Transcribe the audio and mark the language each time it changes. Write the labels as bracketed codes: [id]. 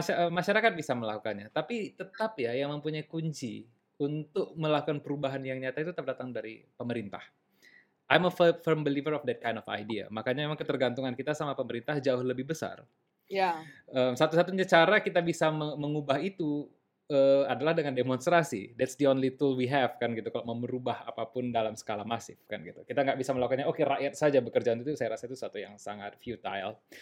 [id] Masyarakat bisa melakukannya, tapi tetap ya yang mempunyai kunci untuk melakukan perubahan yang nyata itu tetap datang dari pemerintah. [en] I'm a firm believer of that kind of idea. [id] Makanya memang ketergantungan kita sama pemerintah jauh lebih besar. Satu-satunya cara kita bisa mengubah itu adalah dengan demonstrasi. [en] That's the only tool we have [id] kan gitu. Kalau mau merubah apapun dalam skala masif kan gitu, kita nggak bisa melakukannya. Oke, rakyat saja bekerja untuk itu. Saya rasa itu satu yang sangat futile.